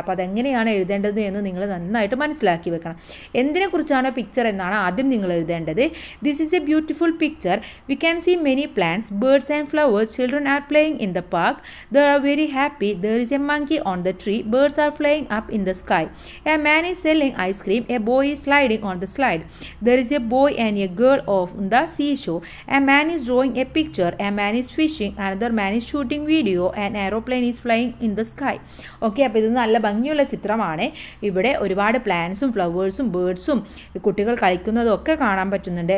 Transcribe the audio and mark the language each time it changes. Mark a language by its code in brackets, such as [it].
[ml] അപ്പോൾ അതെങ്ങനെയാണ് എഴുതേണ്ടത് എന്ന് നിങ്ങൾ നന്നായിട്ട് മനസ്സിലാക്കി വെക്കണം. എന്തിനെക്കുറിച്ചാണ് പിക്ചർ എന്നാണ് ആദ്യം നിങ്ങൾ എഴുതേണ്ടത്. [en] This is a beautiful picture, we can see many plants, birds and flowers, children are playing in the park, there are very happy, there is a monkey on the tree, birds are flying up in the sky. A man is selling ice cream. A boy is sliding on the slide. There is a boy and a girl on the seashore. A man is drawing a picture. A man is fishing. Another man is shooting video. An aeroplane is flying in the sky. [ml] Okay, അപ്പോൾ ഇത് നല്ല ഭംഗിയുള്ള ചിത്രമാണ്. ഇവിടെ ഒരുപാട് പ്ലാന്റ്സും ഫ്ലവേഴ്സും ബേർഡ്സും കുട്ടികൾ കളിക്കുന്നതും ഒക്കെ കാണാൻ പറ്റുന്നുണ്ട്.